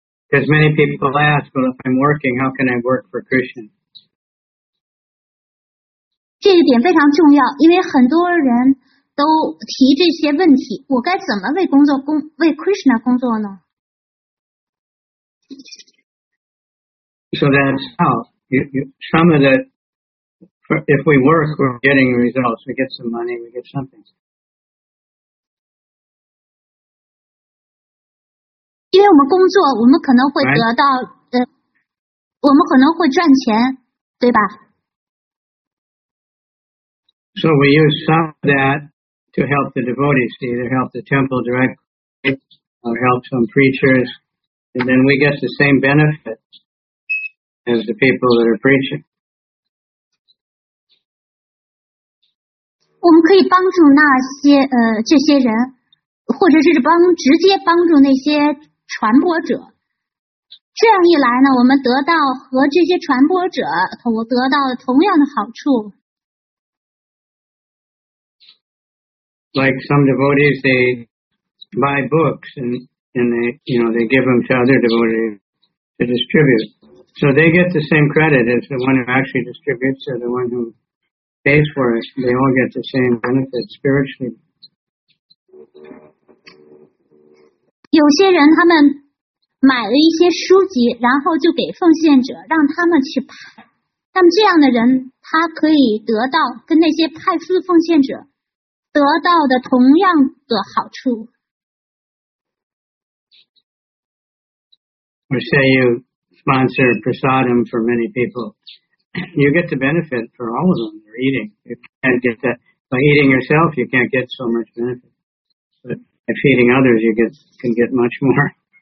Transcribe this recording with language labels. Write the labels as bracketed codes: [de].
[en] Because many people ask, well, if I'm working, how can I work for Krishna? [zh] 这一点非常重要，因为很多人都提这些问题，我该怎么为工作工，为 Krishna 工作呢？ [en] So that's how. If we work, we're getting results. We get some money, we get something. [zh] 因为我们工作我们可能会得到、 [en] right. [zh] 我们可能会赚钱对吧 [en] So we use some of that to help the devotees, either help the temple directly or help some preachers, and then we get the same benefits as the people that are preaching. [zh] 我们可以帮助那些这些人，或者是直接帮助那些传播者。这样一来呢，我们得到和这些传播者得到同样的好处。 [en] Like some devotees, they buy books and they, you know, they give them to other devotees to distribute. So they get the same credit as the one who actually distributes or the one who. Pays for it, they all get the same benefit spiritually. [zh] 有些人他们买了一些书籍，然后就给奉献者，让他们去派。那么这样的人，他可以得到跟那些派书奉献者得到的同样的好处。 [en] Or say you sponsor prasadam for many people. You get the benefit for all of them. They're eating. You can't get that. By eating yourself, you can't get so much benefit. But by feeding others, you can get much more.